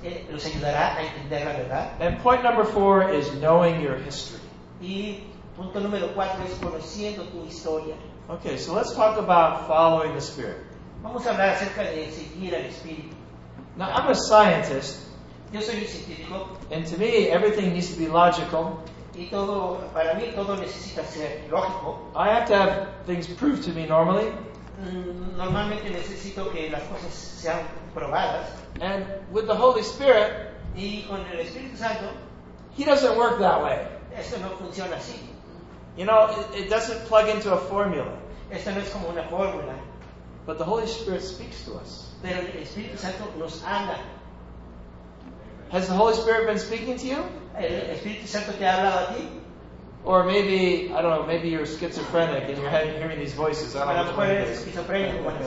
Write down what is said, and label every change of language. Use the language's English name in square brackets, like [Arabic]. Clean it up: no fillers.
[Spanish] Los ayudará a entender la verdad. [English] And point number four is knowing your history. [Spanish] Y punto número cuatro es conociendo tu historia. [English] Okay, so let's talk about following the Spirit. [Spanish] Vamos a hablar acerca de seguir al Espíritu. [English] Now, I'm a scientist. [Spanish] Yo soy un científico. [English] And to me, everything needs to be logical. [Spanish] Y todo, para mí, todo necesita ser lógico. [English] I have to have things proved to me normally. [Spanish] Normalmente necesito que las cosas sean probadas. [English] And with the Holy Spirit, [Spanish] y con el Espíritu Santo, [English] he doesn't work that way. [Spanish] Esto no funciona así. [English] You know, it doesn't plug into a formula. [Spanish] Esto no es como una fórmula. [English] But the Holy Spirit speaks to us. [Spanish] Pero el Espíritu Santo nos habla. [English] Has the Holy Spirit been speaking to you? [Spanish] El Espíritu Santo te ha hablado a ti? [English] Or maybe, I don't know, maybe you're schizophrenic and you're hearing these voices. I don't know.